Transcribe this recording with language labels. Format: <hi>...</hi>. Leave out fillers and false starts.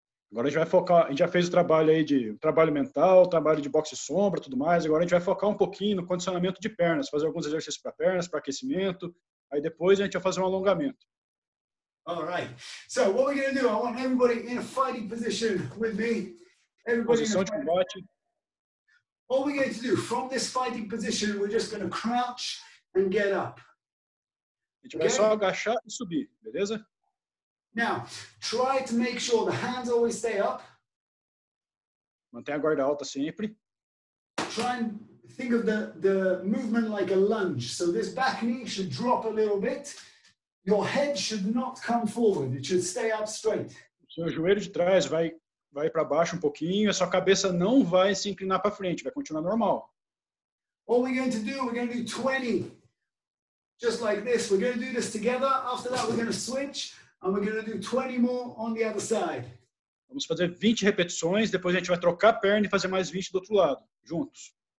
<pt>Agora a gente vai focar, a gente já fez o trabalho aí de trabalho mental, trabalho de boxe sombra, tudo mais. Agora a gente vai focar um pouquinho no condicionamento de pernas, fazer alguns exercícios para pernas, para aquecimento. Aí depois a gente vai fazer um alongamento.</pt> <en>All right. So what we're going to do, I want everybody in a fighting position with me.</en> <pt>Posição de combate.</pt> <en>What we're going to do from this fighting position, we're just going to crouch and get up.</en> <pt>A gente vai só agachar e subir, beleza?</pt> <en>Now, try to make sure the hands always stay up.</en> <pt>Mantenha a guarda alta sempre.</pt> <en>Try and think of the movement like a lunge. So this back knee should drop a little bit. Your head should not come forward. It should stay up straight.</en> <pt>Seu joelho de trás vai para baixo um pouquinho. A sua cabeça não vai se inclinar para frente. Vai continuar normal.</pt> <en>What we're going to do, we're going to do 20. Just like this. We're going to do this together. After that, we're going to switch. And we're going to do 20 more on the other side.</en> <pt>Vamos fazer 20 repetições, depois a gente vai trocar a perna e fazer mais 20 do outro lado, juntos.</pt>